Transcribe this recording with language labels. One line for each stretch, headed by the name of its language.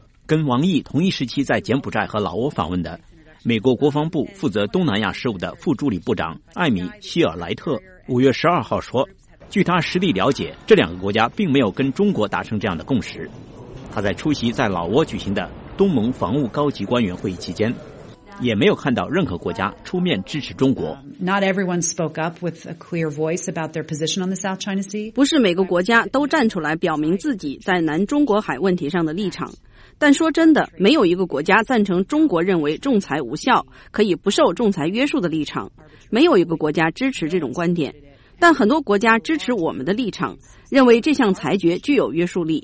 Chinese: 跟王毅同一时期在柬埔寨和老挝访问的美国国防部负责东南亚事务的副助理部长艾米·希尔莱特5月12号说，据他实地了解，这两个国家并没有跟中国达成这样的共识。他在出席在老挝举行的东盟防务高级官员会议期间，也没有看到任何国家出面支持中国。
English: Not everyone spoke up with a clear voice about their position on the South China Sea.
Chinese: 不是每个国家都站出来表明自己在南中国海问题上的立场。但说真的，没有一个国家赞成中国认为仲裁无效、可以不受仲裁约束的立场。没有一个国家支持这种观点。但很多国家支持我们的立场，认为这项裁决具有约束力。